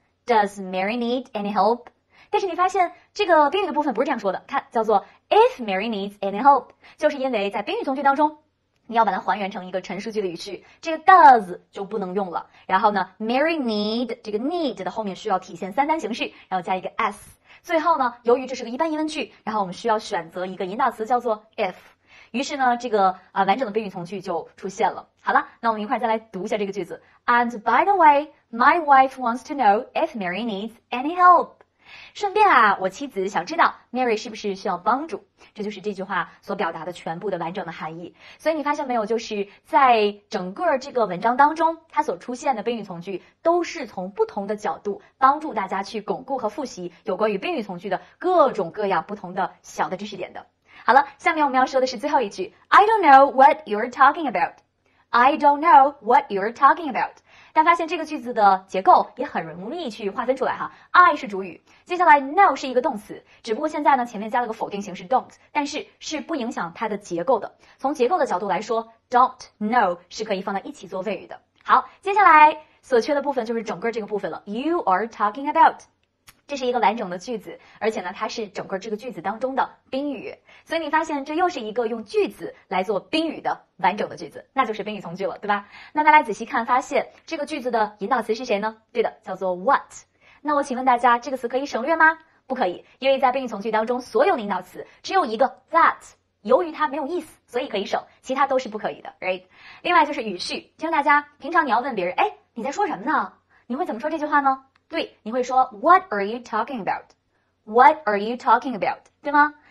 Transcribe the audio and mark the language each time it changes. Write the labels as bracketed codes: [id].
[en] Does Mary need any help? [zh] 但是你发现这个宾语的部分不是这样说的，它叫做 [en] If Mary needs any help， [zh] 就是因为在宾语从句当中你要把它还原成一个陈述句的语序，这个 does 就不能用了。然后呢 ，Mary need 这个 need 的后面需要体现三单形式，然后加一个 s。最后呢，由于这是个一般疑问句，然后我们需要选择一个引导词叫做 if。于是呢，这个完整的宾语从句就出现了。好了，那我们一块再来读一下这个句子。 [en] And by the way, my wife wants to know if Mary needs any help。 [zh] 顺便啊，我妻子想知道 Mary 是不是需要帮助，这就是这句话所表达的全部的完整的含义。所以你发现没有，就是在整个这个文章当中，它所出现的宾语从句都是从不同的角度帮助大家去巩固和复习有关于宾语从句的各种各样不同的小的知识点的。好了，下面我们要说的是最后一句 [en] I don't know what you're talking about I don't know what you're talking about。 [zh] 但发现这个句子的结构也很容易去划分出来哈。 I 是主语，接下来 know 是一个动词，只不过现在呢前面加了个否定形式 don't， 但是是不影响它的结构的。从结构的角度来说 ，don't know 是可以放在一起做谓语的。好，接下来所缺的部分就是整个这个部分了。 [en] You are talking about， [zh] 这是一个完整的句子，而且呢它是整个这个句子当中的宾语，所以你发现这又是一个用句子来做宾语的完整的句子，那就是宾语从句了，对吧？那大家仔细看发现这个句子的引导词是谁呢？对的，叫做 what。那我请问大家，这个词可以省略吗？不可以，因为在宾语从句当中所有的引导词只有一个 that， 由于它没有意思所以可以省，其他都是不可以的， right？另外就是语序，请问大家平常你要问别人，哎，你在说什么呢，你会怎么说这句话呢？对，你会说 [en] what are you talking about [zh] what are you talking about， 对吗？